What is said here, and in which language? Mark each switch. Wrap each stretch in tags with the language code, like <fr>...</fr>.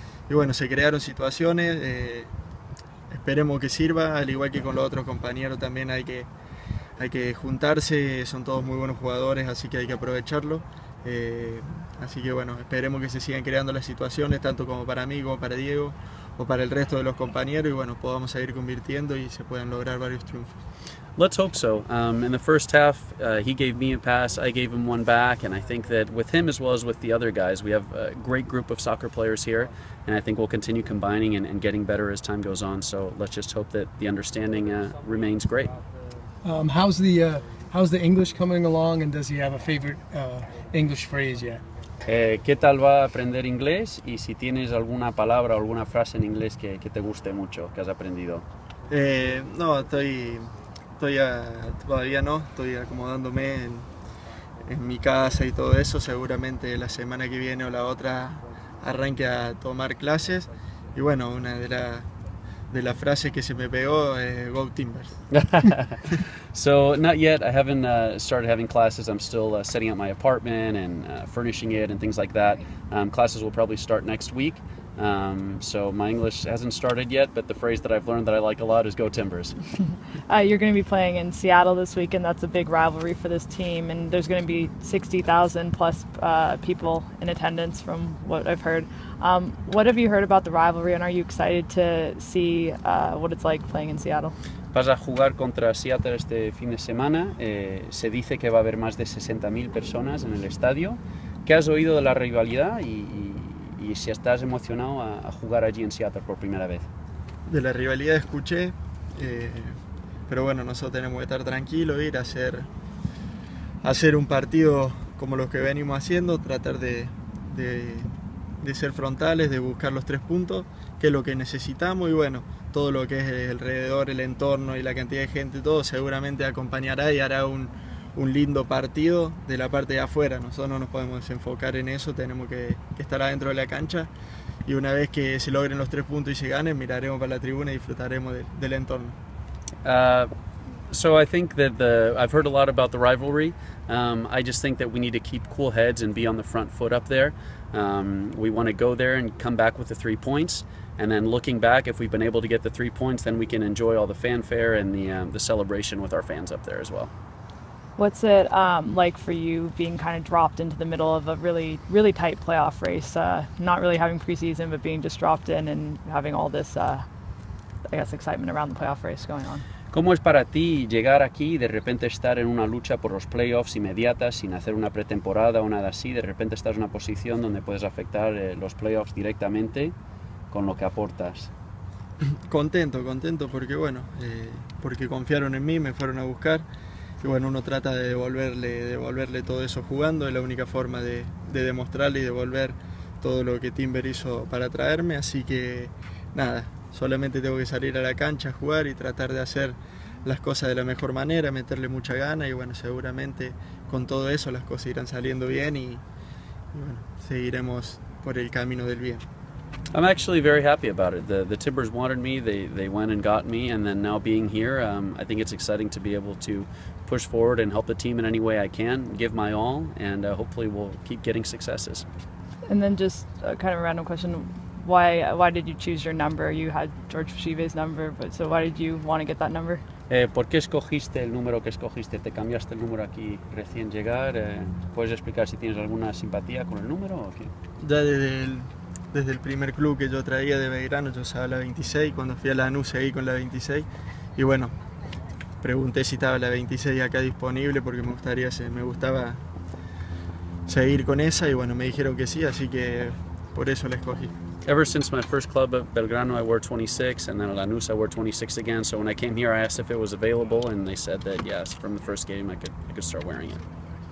<es>Y bueno, se crearon situaciones. Esperemos que sirva, al igual que con los otros compañeros también hay que juntarse. Son todos muy buenos jugadores, así que hay que aprovecharlo. Así que bueno, esperemos que se sigan creando las situaciones, tanto como para mí, como para Diego, o para el resto de los compañeros, y bueno, podamos seguir convirtiendo y se puedan lograr varios triunfos.</es> <en>Let's hope so. In the first half, he gave me a pass, I gave him one back, and I think that with him as well as with the other guys, we have a great group of soccer players here, and I think we'll continue combining and getting better as time goes on. So let's just hope that the understanding remains great. How's the English coming along, and does he have a favorite English phrase yet?</en> <es>¿Qué tal va a aprender inglés? Y si tienes alguna palabra o alguna frase en inglés que te guste mucho, que has aprendido. No, todavía no, estoy acomodándome en mi casa y todo eso. Seguramente la semana que viene o la otra arranque a tomar clases. Y bueno, una de las frases que se me pegó es</es> <en>So, not yet. I haven't started having classes. I'm still setting up my apartment and furnishing it and things like that. Classes will probably start next week. So, my English hasn't started yet, but the phrase that I've learned that I like a lot is Go Timbers. You're going to be playing in Seattle this week, and that's a big rivalry for this team. And there's going to be 60,000 plus people in attendance, from what I've heard. What have you heard about the rivalry, and are you excited to see what it's like playing in Seattle?</en> <es>Vas a jugar contra Seattle este fin de semana. Se dice que va a haber más de 60.000 personas en el estadio. ¿Qué has oído de la rivalidad y si estás emocionado a jugar allí en Seattle por primera vez? De la rivalidad escuché, pero bueno, nosotros tenemos que estar tranquilos, ir a hacer un partido como los que venimos haciendo, tratar de ser frontales, de buscar los 3 puntos, que es lo que necesitamos, y bueno, todo lo que es el alrededor, el entorno y la cantidad de gente, todo seguramente acompañará y hará un lindo partido de la parte de afuera. Nosotros no nos podemos enfocar en eso, tenemos que estar adentro de la cancha. Y una vez que se logren los 3 puntos y se ganen, miraremos para la tribuna y disfrutaremos del entorno.</es> <en>So I think that I've heard a lot about the rivalry. I just think that we need to keep cool heads and be on the front foot up there. We want to go there and come back with the 3 points. And then looking back, if we've been able to get the 3 points, then we can enjoy all the fanfare and the celebration with our fans up there as well. What's it like for you being kind of dropped into the middle of a really, really tight playoff race, not really having preseason, but being just dropped in and having all this, I guess, excitement around the playoff race going on?</en> <es>¿Cómo es para ti llegar aquí y de repente estar en una lucha por los playoffs inmediata, sin hacer una pretemporada o nada así? De repente estás en una posición donde puedes afectar los playoffs directamente con lo que aportas. Contento, contento, porque bueno, porque confiaron en mí, me fueron a buscar. Y bueno, uno trata de devolverle todo eso jugando. Es la única forma de demostrarle y devolver todo lo que Timber hizo para traerme. Así que nada, solamente tengo que salir a la cancha a jugar y tratar de hacer las cosas de la mejor manera, meterle mucha gana y bueno, seguramente con todo eso las cosas irán saliendo bien y bueno, seguiremos por el camino del bien.</es> <en>I'm actually very happy about it. The Timbers wanted me, they went and got me, and then now being here, I think it's exciting to be able to push forward and help the team in any way I can, give my all, and hopefully we'll keep getting successes. And then just kind of a random question, why did you choose your number? You had George Fashive's number, but so why did you want to get that number?</en> <es>¿Por qué escogiste el número que escogiste? ¿Te cambiaste el número aquí recién llegar? ¿Puedes explicar si tienes alguna simpatía con el número o qué? Ya desde el primer club que yo traía de Belgrano, yo usaba la 26, cuando fui a Lanús seguí con la 26, y bueno, pregunté si estaba la 26 acá disponible, porque me gustaba seguir con esa, y bueno, me dijeron que sí, así que por eso la escogí.</es> <en>Ever since my first club at Belgrano, I wore 26, and then at Lanús I wore 26 again, so when I came here I asked if it was available, and they said that yes, from the first game I could start wearing it.</en>